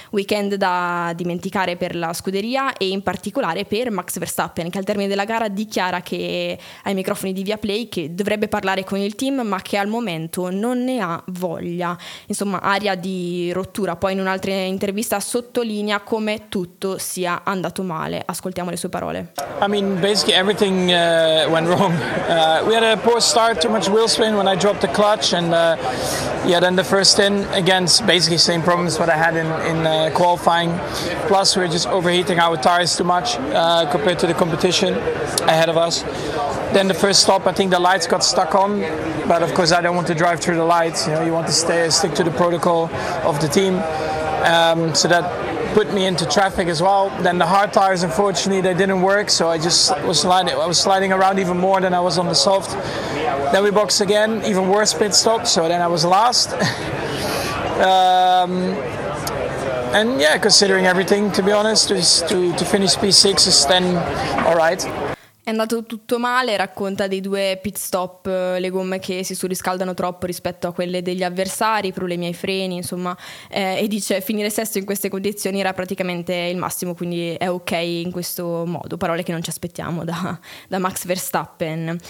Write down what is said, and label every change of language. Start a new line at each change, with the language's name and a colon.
Italian: Weekend da dimenticare per la scuderia e in particolare per Max Verstappen, che al termine della gara dichiara che ai microfoni di Viaplay che dovrebbe parlare con il team ma che al momento non ne ha voglia. Insomma, aria di rottura. Poi in un altro intervista sottolinea come tutto sia andato male. Ascoltiamo le sue parole.
English: I mean, basically everything went wrong. We had a poor start, too much wheel spin when I dropped the clutch, and yeah, then the first stint again, basically same problems that I had in qualifying. Plus, we were just overheating our tires too much compared to the competition ahead of us. Then the first stop, I think the lights got stuck on, but of course I don't want to drive through the lights. You know, you want to stick to the protocol of the team. So that put me into traffic as well. Then the hard tires, unfortunately, they didn't work. So I just was sliding around even more than I was on the soft. Then we boxed again, even worse pit stop. So then I was last. and yeah, considering everything, to be honest, to finish P6 is then all right.
Italian: È andato tutto male, racconta dei due pit stop, le gomme che si surriscaldano troppo rispetto a quelle degli avversari, problemi ai freni, insomma, e dice finire sesto in queste condizioni era praticamente il massimo, quindi è ok in questo modo, parole che non ci aspettiamo da Max Verstappen.